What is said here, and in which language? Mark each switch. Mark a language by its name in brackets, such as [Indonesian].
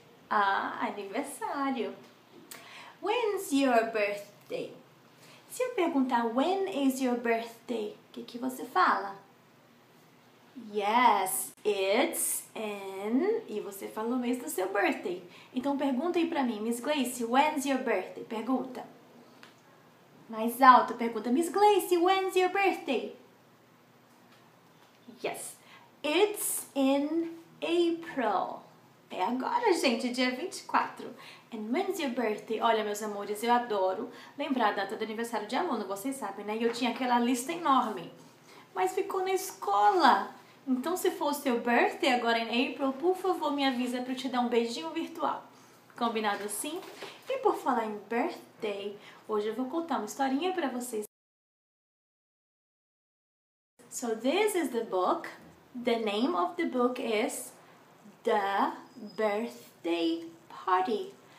[English] Ah, aniversário. When's your birthday? [Portuguese] Se eu perguntar [English] when is your birthday, [Portuguese] o que você fala? [English] Yes, it's in... [Portuguese] E você falou o mês do seu birthday. Então pergunta aí pra mim, Miss Gleyce, [English] when's your birthday? [Portuguese] Pergunta. Mais alto, pergunta, Miss Gleyce, [English] when's your birthday? Yes, it's in April. [Portuguese] É agora, gente, dia 24. [English] And when's your birthday? [Portuguese] Olha, meus amores, eu adoro lembrar a data do aniversário de aluno, vocês sabem, né? E eu tinha aquela lista enorme. Mas ficou na escola. Então, se for o seu birthday agora em April, por favor, me avisa para eu te dar um beijinho virtual. Combinado assim? E por falar em birthday, hoje eu vou contar uma historinha para vocês. [English] So, this is the book. The name of the book is The Birthday Party.